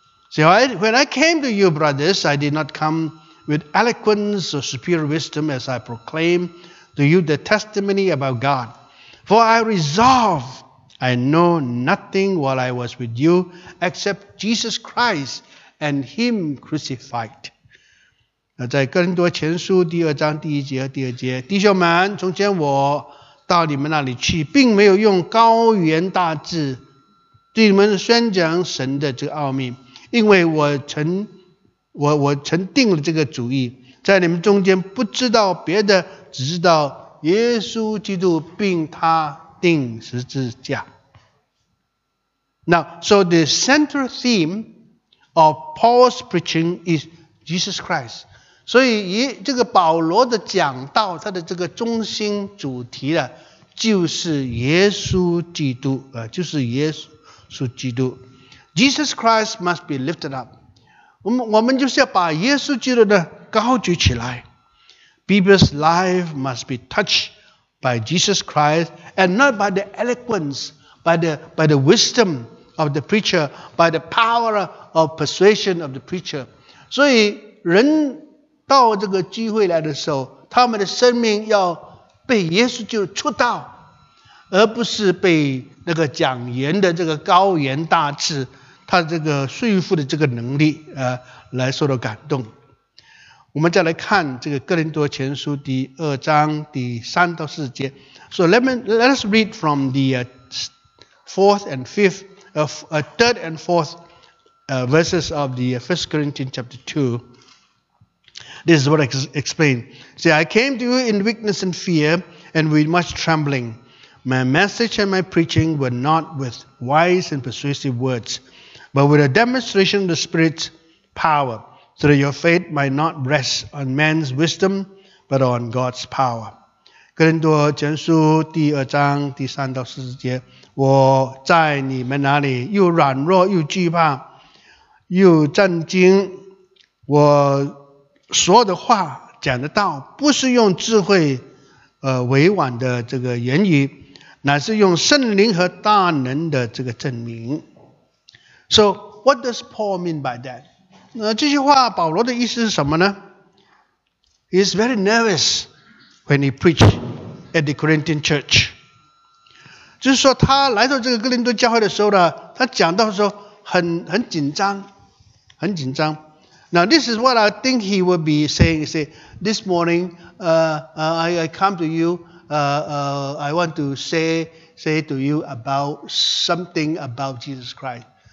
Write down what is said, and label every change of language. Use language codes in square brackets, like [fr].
[en] So when I came to you, brothers, I did not come with eloquence or superior wisdom, as I proclaim to you the testimony about God. For I resolve, I know nothing while I was with you, except Jesus Christ and Him crucified. [zh] 在哥林多前书第2章第1节和第2节，弟兄们，从前我到你们那里去，并没有用高言大志对你们宣讲神的这个奥秘，因为我曾定了这个主意。在你们中间不知道别的，只知道耶稣基督并他钉十字架。 [en] Now, so the central theme of Paul's preaching is Jesus Christ. [zh] 所以这个保罗的讲道，他的这个中心主题呢，就是耶稣基督，就是耶稣基督。 [en] Jesus Christ must be lifted up. [zh] 我们就是要把耶稣基督的高举起来。 [en] People's life must be touched by Jesus Christ and not by the eloquence, by the wisdom of the preacher, by the power of persuasion of the preacher. [zh] 所以人到这个机会来的时候，他们的生命要被耶稣基督触到，而不是被那个讲言的这个高言大志，他这个说服的这个能力来受到感动。我们再来看这个哥林多前书第二章第三到四节。 [en] So let us read from the fourth and fifth, third and fourth verses of the First Corinthians chapter 2. This is what I explain. See, I came to you in weakness and fear and with much trembling. My message and my preaching were not with wise and persuasive words, but with a demonstration of the Spirit's power. So that your faith might not rest on man's wisdom, but on God's power. [zh] 哥林多前书第二章第三到四节，我在你们那里又软弱又惧怕，又震惊。我说的话讲的道，不是用智慧，委婉的这个言语，乃是用圣灵和大能的这个证明。 [en] So what does Paul mean by that? [zh] 那这句话保罗的意思是什么呢？ [en] He is very nervous when he preached at the Corinthian church. [zh] 就是说他来到这个哥林多教会的时候呢，他讲到说很紧张，很紧张。 [en] Now this is what I think he will be saying. He say, this morning, I come to you, I want to say to you about something about Jesus Christ.